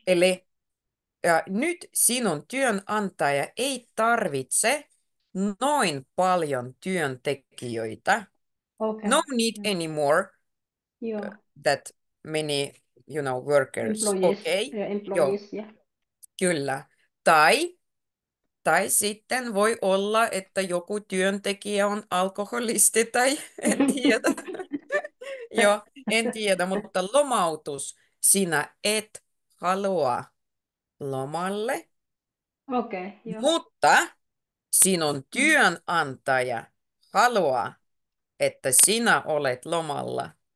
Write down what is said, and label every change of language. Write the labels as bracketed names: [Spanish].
[Finnish] Eli nyt sinun työnantaja ei tarvitse noin paljon työntekijöitä. [English] No need anymore that many, you know, workers. [Finnish] Okei. [English] Okay. Employees, yeah. [Finnish] Kyllä. Tai sitten voi olla, että joku työntekijä on alkoholisti tai en tiedä. Joo, en tiedä, mutta lomautus. Sinä et halua lomalle, mutta sinun työnantaja haluaa, että sinä olet lomalla.